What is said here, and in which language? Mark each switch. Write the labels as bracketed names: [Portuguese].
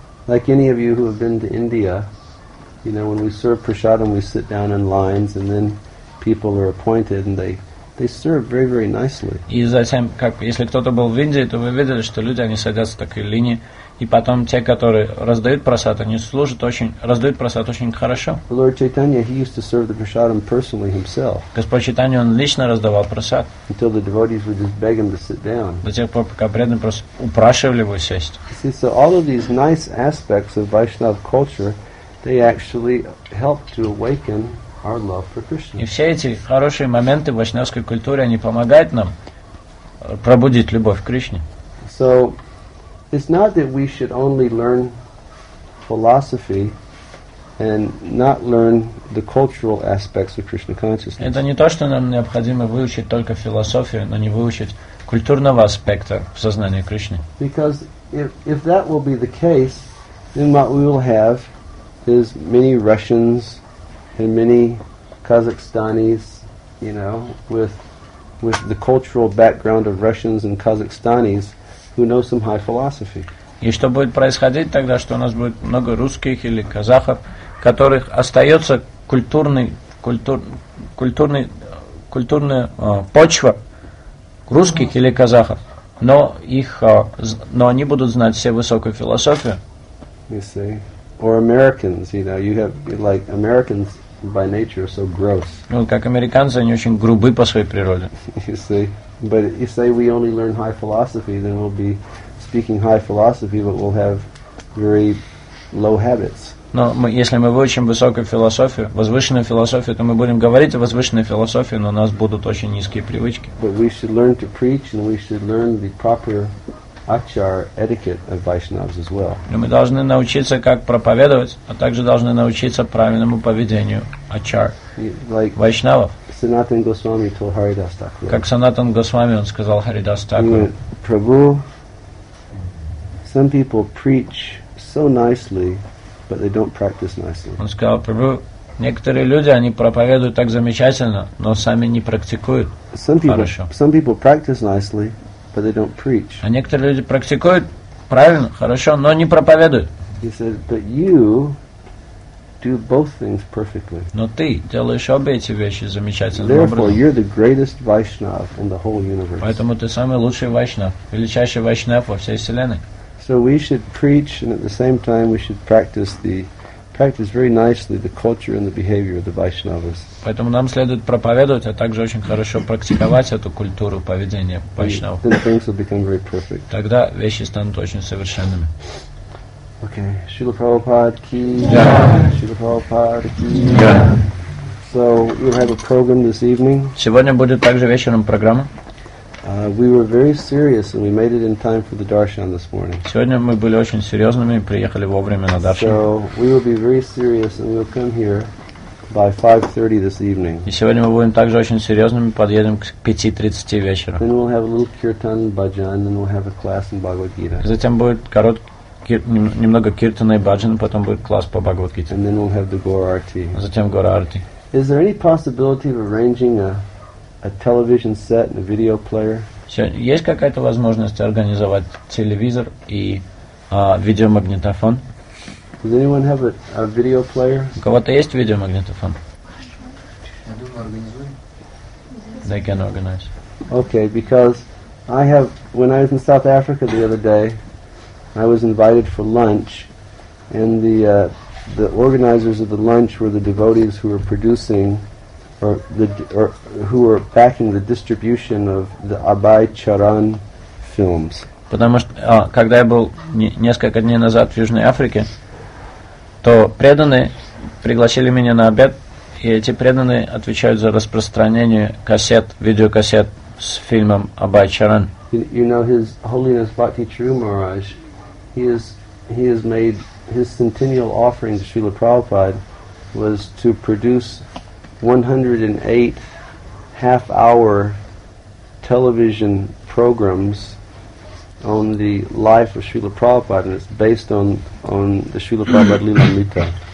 [English] Like any of you who have been to India, you know, when we serve prasadam, we sit down in lines, and then people are appointed, and they serve very, very nicely. [Russian] И затем, как если кто-то был в Индии, то вы видели, что люди они садятся в такой линии, и потом те, которые раздают прасад, они служат очень, раздают прасад очень хорошо. [English] Lord Chaitanya, he used to serve the prasadam personally himself. [Russian] Господь Чайтанья, он лично раздавал прасад. [English] Until the devotees would just beg him to sit down. [Russian] До тех пор, пока преданные просто упрашивали его сесть. [English] You see, so all of these nice aspects of Vaishnava culture, they actually help to awaken our love for Krishna. [Russian] И все эти хорошие моменты в вайшнавской культуре, они помогают нам пробудить любовь к Кришне. [English] So, it's not that we should only learn philosophy and not learn the cultural aspects of Krishna consciousness. [Russian] Это не то, что нам необходимо выучить только философию, но не выучить культурного аспекта в сознании Кришны. [English] Because if that will be the case, then what we will have is many Russians and many Kazakhstanis, you know, with the cultural background of Russians and Kazakhstanis who know some high philosophy. [Russian] И что будет происходить тогда, что у нас будет много русских или казахов, которых остается культурная почва русских или казахов, но их но они будут знать все высокую философию. [English] You see. Or Americans, you know, you have like Americans by nature are so gross. [Russian] Ну, как американцы, они очень грубы по своей природе. [English] You see, but if say we only learn high philosophy, then we'll be speaking high philosophy, but we'll have very low habits. [Russian] Но мы, если мы выучим высокую философию, возвышенную философию, то мы будем говорить о возвышенной философии, но у нас будут очень низкие привычки. [English] But we should learn to preach, and we should learn the proper Achar etiquette of Vaishnavas as well. [Russian] Но мы должны научиться как проповедовать, а также должны научиться правильному поведению ачар. [English] Like Vaishnavas. Sanatan Goswami told Haridas Thakur. [Russian] Как Sanatan Goswami он сказал Haridas Thakur. [English] Prabhu, some people preach so nicely, but they don't practice nicely. [Russian] Он сказал Prabhu, некоторые люди они проповедуют так замечательно, но сами не практикуют хорошо. [English] Some people practice nicely, but they don't preach. [Russian] А некоторые люди практикуют правильно, хорошо, но не проповедуют. [English] He said, but you do both things perfectly. [Russian] Но ты делаешь обе эти вещи замечательно. [English] Therefore, you're the greatest Vaishnav in the whole universe. [Russian] Поэтому ты самый лучший Вайшнав, величайший Вайшнав во всей вселенной. [English] So we should preach, and at the same time, we should practice very nicely the culture and the behavior of the Vaishnavas. [Russian] Поэтому нам следует проповедовать, а также очень хорошо практиковать эту культуру поведения Вайшнава. [English] Then things will become very perfect. [Russian] Тогда вещи станут очень совершенными. [English] Okay. Srila Prabhupada ki. Yeah. Srila Prabhupada ki. Yeah. So we have a program this evening. [Russian] Сегодня будет также вечером программа. [English] We were very serious and we made it in time for the darshan this morning. [Russian] Сегодня мы были очень серьезными и приехали вовремя на даршан. [English] So we will be very serious and we'll come here by 5:30 this evening. [Russian] И сегодня мы будем также очень серьезными, подъедем к 5:30 вечера. [English] Then we'll have a little kirtan bhajan, then we'll have a class in Bhagavad Gita. [Russian] Затем будет немного киртана и бхаджан, потом будет класс по Бхагавад Гите. [English] And then we'll have the Gaura Arti. [Russian] Затем Gaura Arti. [English] Is there any possibility of arranging a television set and a video player? [Russian] Есть какая-то возможность организовать телевизор и видеомагнитофон? [English] Does anyone have a video player? [Russian] У кого-то есть видеомагнитофон? [English] They can organize. Okay, because when I was in South Africa the other day, I was invited for lunch, and the organizers of the lunch were the devotees who were producing or who were backing the distribution of the Abhay Charan films. [Russian] Потому что когда я был несколько дней назад в Южной Африке, то преданные пригласили меня на обед, и эти преданные отвечают за распространение кассет, видеокассет с фильмом Абхай Чаран. [English] You know, His Holiness Bhakti Chiru Maharaj, he has made his centennial offering to Srila Prabhupada was to produce 108 half-hour television programs on the life of Srila Prabhupada, and it's based on the Srila Prabhupada Lilamrita.